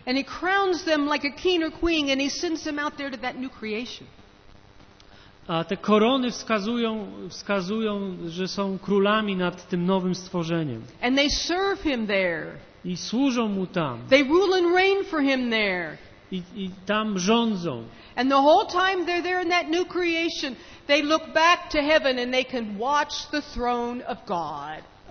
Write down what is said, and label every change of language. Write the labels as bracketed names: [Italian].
[English] And he crowns them like a king or queen and he sends them out there to that new creation. [Polish] A te korony wskazują, że są królami nad tym nowym stworzeniem. [English] And they serve him there. [Polish] I służą mu tam. [English] They rule and reign for him there. [Polish] I tam rządzą. [English] And the whole time they're there in that new creation, they look back to heaven and they can watch the throne of God.